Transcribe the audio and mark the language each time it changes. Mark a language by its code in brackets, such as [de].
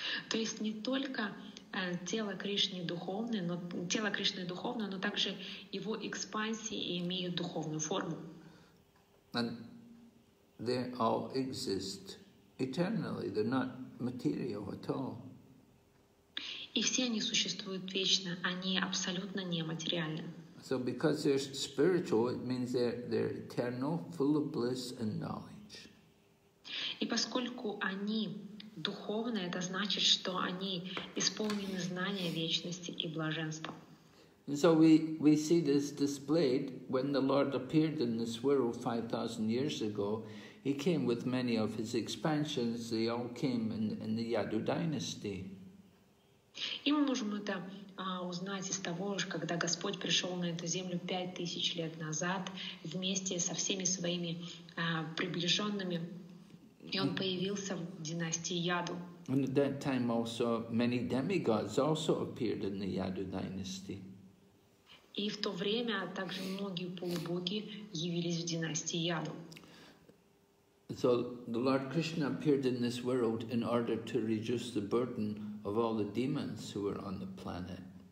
[ru] То есть не только тело Кришны духовное, но тело Кришны духовное, но также его экспансии имеют духовную форму. [en] And they all exist eternally. They're not material at all. [ru] И все они существуют вечно, они абсолютно нематериальны. [en] So because they're spiritual, it means they're eternal, full of bliss and knowledge. [ru] И поскольку они духовные, это значит, что они исполнены знания вечности и блаженства. [en] And so we see this displayed when the Lord appeared in this world 5,000 years ago. He came with many of his expansions. They all came in the Yadu dynasty. [ru] И мы можем это узнать из того, что когда Господь пришел на эту землю 5000 лет назад вместе со всеми своими приближенными, и он появился в династии Яду. [en] And at that time also many demigods also appeared in the Yadu dynasty. [ru] И в то время также многие полубоги явились в династии Яду. [en] So the Lord Krishna appeared in this world in order to reduce the burden of all the demons who were on the planet.